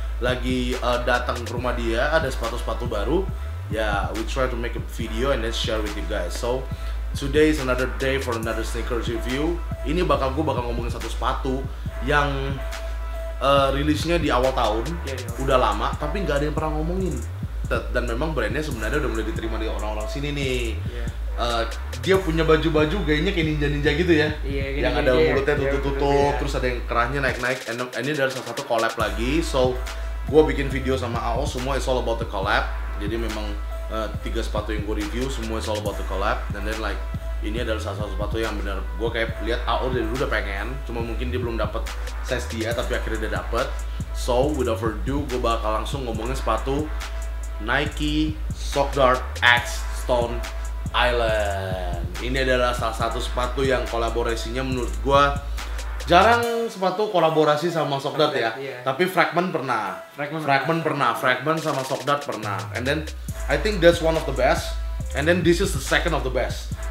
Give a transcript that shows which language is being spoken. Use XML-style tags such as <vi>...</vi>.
<id>Lagi datang ke rumah dia, ada sepatu-sepatu baru.</id> <en>Yeah, we try to make a video and then share with you guys. So, today is another day for another sneakers review.</en> <id>Ini bakal gue bakal ngomongin satu sepatu yang rilisnya di awal tahun, udah lama, tapi nggak ada yang pernah ngomongin. Dan memang brandnya sebenarnya udah mulai diterima di orang-orang sini nih. Dia punya baju-baju gayanya kayak ninja-ninja gitu ya, yang ada mulutnya tutup-tutup, terus ada yang kerahnya naik-naik. And ini dari salah satu collab lagi. So, gue bikin video sama Ao, semua</id> <en>is all about the collab.</en> <id>Jadi memang 3 sepatu yang gue review semua</id> <en>is all about the collab. And then like,</en> <id>ini adalah salah satu sepatu yang benar gue kayak lihat Ao dari dulu udah pengen, cuma mungkin dia belum dapat size dia, tapi akhirnya dia dapat.</id> <en>So without further ado,</en> <id>gue bakal langsung ngomongin sepatu Nike Sock Dart X Stone Island. Ini adalah salah satu sepatu yang kolaborasinya menurut gue jarang sepatu kolaborasi sama Sock Dart ya, yeah. Tapi Fragment pernah. Fragment sama Sock Dart pernah.</id> <en>And then I think that's one of the best. And then this is the second of the best.</en>